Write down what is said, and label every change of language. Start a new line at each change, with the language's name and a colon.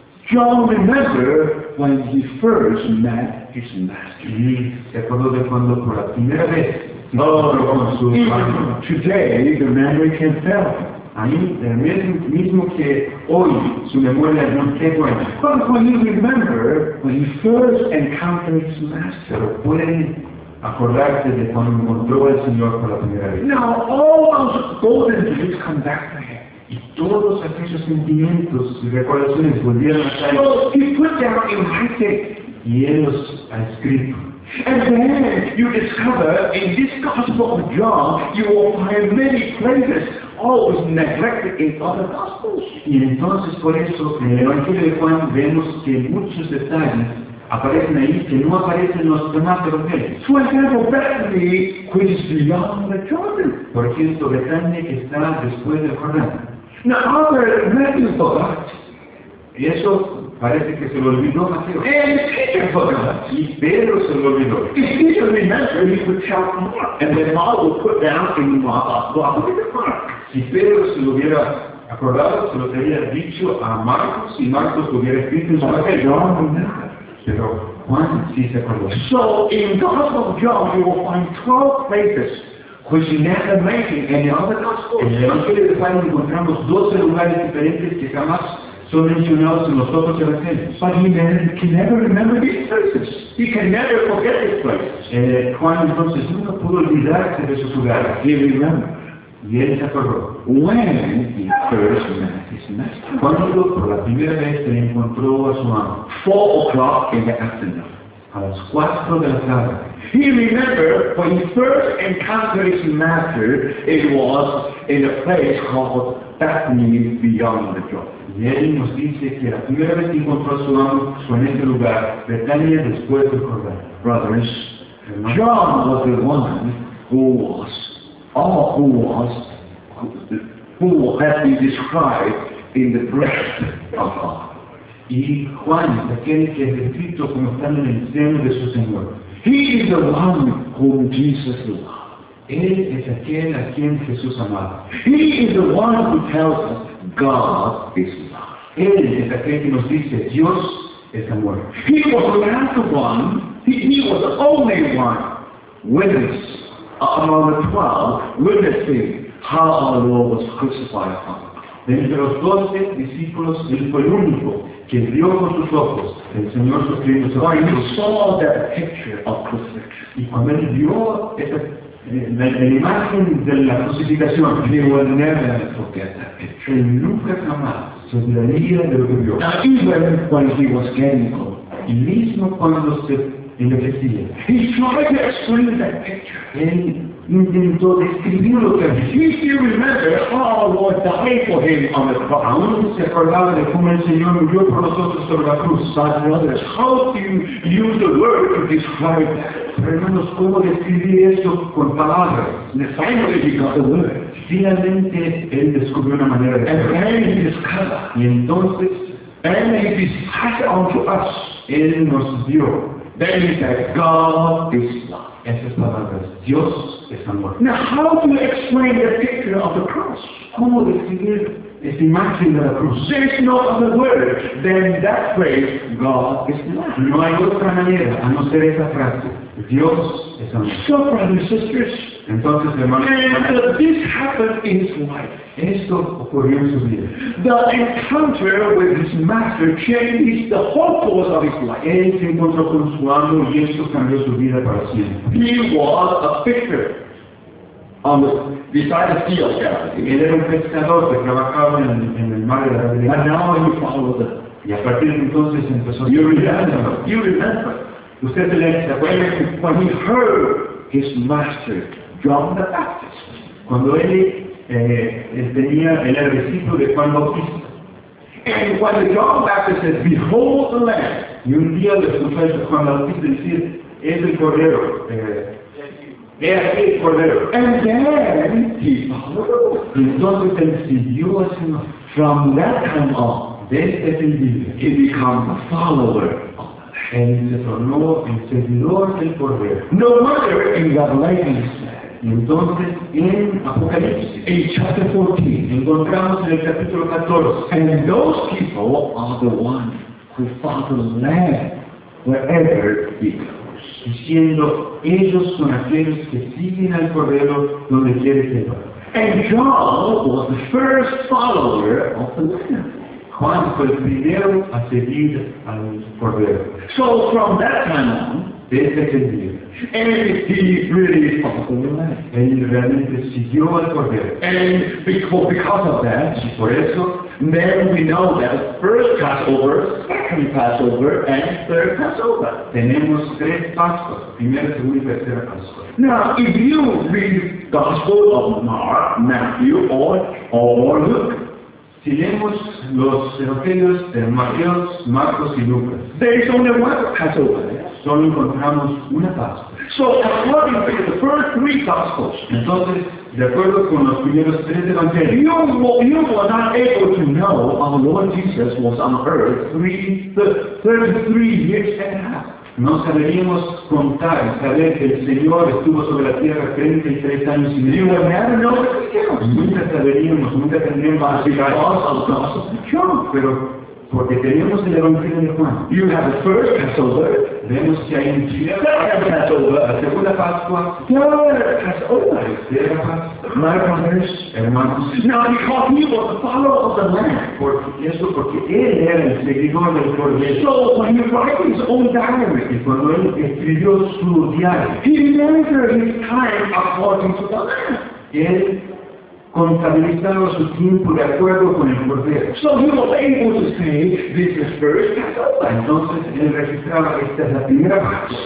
English: John remembered when he first met his master.
Spanish: Y se acordó de cuando por la primera vez.
English: Today the memory can fail.
Spanish: Ahí, el mismo que hoy su memoria no es buena.
English: But when you remember when he first encountered his master,
Spanish: pueden acordarse de cuando encontró al Señor por la primera vez.
English: Now all those golden days come back to him.
Spanish: Y todos aquellos sentimientos y recordaciones volvieron a salir.
English: So he put down in writing.
Spanish: Y él los ha escrito.
English: And then you discover in this Gospel of John, you will find many places always neglected in other gospels.
Spanish: Y entonces por eso en el Evangelio de Juan vemos que muchos detalles aparecen ahí que no aparecen en los demás evangelios.
English: For example, Bethany, which is beyond the Jordan.
Spanish: Por ejemplo, Betania que está después del Jordán.
English: Now, Albert, Matthew forgot.
Spanish: Y eso parece que se lo olvidó Mateo.
English: And Peter forgot.
Spanish: Y Pedro se lo olvidó.
English: If Peter remembered, he would tell Mark. And then Mark would put down in Mark.
Spanish: Si Pedro se lo hubiera acordado, se lo habría dicho a Marcos, y Marcos lo hubiera escrito en su Evangelio. Pero Juan sí se acordó.
English: So in the Gospel of John, you will find 12 places which you never mentioned in the other Gospels.
Spanish: En el Evangelio de Juan encontramos 12 lugares diferentes que jamás son mencionados en los otros evangelios.
English: But he can never remember these places. He can never forget these places.
Spanish: Juan entonces nunca pudo olvidarse de esos lugares.
English: He remembered.
Spanish: Y él se acordó.
English: When he first met his master.
Spanish: Cuando por la primera vez se encontró a su amo.
English: 4 o'clock in the afternoon.
Spanish: A las 4 de la tarde.
English: He remembered when he first encountered his master, it was in a place called Bethany beyond the Jordan.
Spanish: Y él nos dice que la primera vez que encontró a su amo fue en este lugar, Betania, después del Jordán.
English: Brothers, John was the one who had been described in the presence of God.
Spanish: Y Juan, aquel que es descrito como estando en el seno de su Señor.
English: He is the one whom Jesus loved.
Spanish: Él es aquel a quien Jesús amaba.
English: He is the one who tells us God is love.
Spanish: Él es aquel que nos dice Dios es amor.
English: He was the last one. He was the only one witness among the 12 witnessing how our Lord was crucified upon.
Spanish: Entre los 12 discípulos, él fue el único que vio con sus ojos el Señor sufriendo.
English: Why he saw that picture of crucifixion?
Spanish: Y cuando él vio la imagen de la crucificación,
English: he will never forget that picture.
Spanish: Él nunca jamás se olvidaría de lo que vio.
English: Now even when he was getting old,
Spanish: y mismo cuando se envejecía,
English: he tried to explain that picture.
Spanish: Él intentó describir lo que
English: if you remember how our Lord died for him on the cross.
Spanish: Aún se acordaba de cómo el Señor murió por nosotros sobre la cruz.
English: But brothers, how do you use the word to describe that?
Spanish: Hermanos, ¿cómo describir eso con palabras?
English: And finally he got the word.
Spanish: Finalmente él descubrió una manera de describir. Y entonces,
English: and he passed on to us.
Spanish: Él nos dio.
English: Then he said, God is love.
Spanish: Esas palabras, Dios es amor.
English: Now, how do you explain the picture of the cross?
Spanish: ¿Cómo describir esa imagen de la cruz?
English: There is no other word than that phrase, God is love.
Spanish: No hay otra manera a no ser esa frase, Dios es amor.
English: So, brothers and sisters,
Spanish: entonces, hermanos,
English: and this happened in his life.
Spanish: Esto ocurrió en su vida.
English: The encounter with his master changed the whole course of his life.
Spanish: Él se encontró con su amo y esto cambió su vida para siempre.
English: He was a fisher on the beside the sea of Galilee.
Spanish: Él era un pescador que trabajaba en el mar de la Galilea.
English: And now he followed him.
Spanish: Y a partir de entonces empezó.
English: You remember?
Spanish: Usted se lee,
English: when he heard his master. John the Baptist.
Spanish: Cuando él tenía el discípulo de Juan Bautista.
English: And when the John Baptist said, "Behold the Lamb."
Spanish: Y un día le escuché a Juan Bautista decir, "Es el cordero." El cordero.
English: And then he followed.
Spanish: Entonces él siguió a su.
English: From that time on,
Spanish: desde ese día,
English: he became a follower.
Spanish: Él se tornó el seguidor del cordero.
English: No matter in what way he said.
Spanish: Y entonces en Apocalipsis,
English: in chapter 14,
Spanish: encontramos en el capítulo 14,
English: and those people are the ones who follow the Lamb wherever he goes,
Spanish: diciendo ellos son aquellos que siguen al cordero donde quiere que vaya.
English: And John was the first follower of the Lamb.
Spanish: Juan fue el primero a seguir al cordero.
English: So from that time on,
Spanish: desde ese día.
English: And he really followed the Lamb.
Spanish: Él realmente siguió al cordero.
English: And because of that,
Spanish: y por eso,
English: Then we know that the first Passover, second Passover, and third Passover.
Spanish: Tenemos tres Pascuas, primera, segunda y tercera Pascua.
English: Now, if you read the Gospel of Mark, Matthew, or Luke,
Spanish: si leemos los evangelios de Mateo, Marcos y Lucas,
English: there is only one Passover.
Spanish: Solo encontramos una Pascua.
English: So, according to the first three Gospels,
Spanish: entonces, de acuerdo con los primeros tres evangelios,
English: you were not able to know our Lord Jesus was on earth 33 years and a half.
Spanish: No sabríamos contar, saber que el Señor estuvo sobre la tierra 33 años y medio.
English: You never know.
Spanish: Nunca sabríamos, nunca tendríamos la posibilidad. Sure. Pero porque tenemos el Evangelio de Juan.
English: You have the first Passover.
Spanish: Vemos que hay un día.
English: Second Passover.
Spanish: La segunda Pascua.
English: Third Passover.
Spanish: La tercera Pascua.
English: My brothers,
Spanish: hermanos.
English: Now because he was the follower of the Lamb.
Spanish: Porque eso, porque él era el seguidor del Cordero.
English: So when he wrote his own diary,
Spanish: y cuando él escribió su diario,
English: he measured his time according to the Lamb.
Spanish: Él contabilizaron su tiempo de acuerdo con el Cordero.
English: So he was able to say, this is first Passover.
Spanish: Entonces él registraba, esta es la primera Pascua.